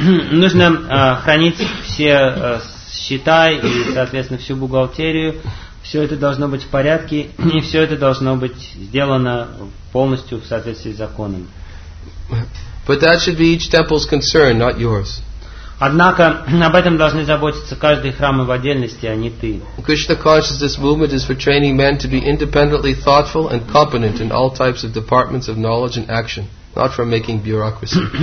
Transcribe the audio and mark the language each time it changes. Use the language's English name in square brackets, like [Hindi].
[Russian] Нужно хранить все счета и, соответственно, всю бухгалтерию. Все это должно быть в порядке, и все это должно быть сделано полностью в соответствии с законом. [English] But that should be each temple's concern, not yours. [Russian] Однако об этом должны заботиться каждый храм и в отдельности, а не ты. [English] Krishna consciousness movement is for training men to be independently thoughtful and competent in all types of departments of knowledge and action, not for making bureaucracy.